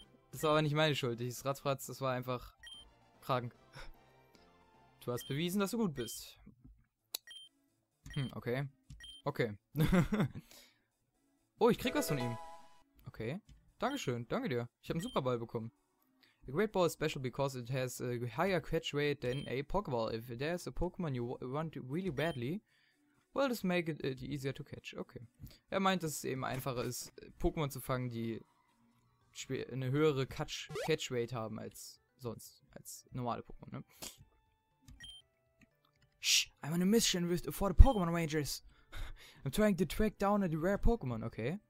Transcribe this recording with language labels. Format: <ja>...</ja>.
<de>Das war aber nicht meine Schuld. Dieses Radfratz, das war einfach krank. Du hast bewiesen, dass du gut bist. Okay. Okay. Oh, ich krieg was von ihm. Okay. Dankeschön, danke dir. Ich habe einen Superball bekommen.</de> <en>The Great Ball is special because it has a higher catch rate than a Pokeball. If there's a Pokemon you want really badly, well, just make it easier to catch. Okay.</en> <de>Er meint, dass es eben einfacher ist, Pokémon zu fangen, die eine höhere Catch-Rate haben als sonst, als normale Pokémon, ne?</de> <en>Shh, I'm on a mission for the Pokémon Rangers. I'm trying to track down a rare Pokémon, okay.</en>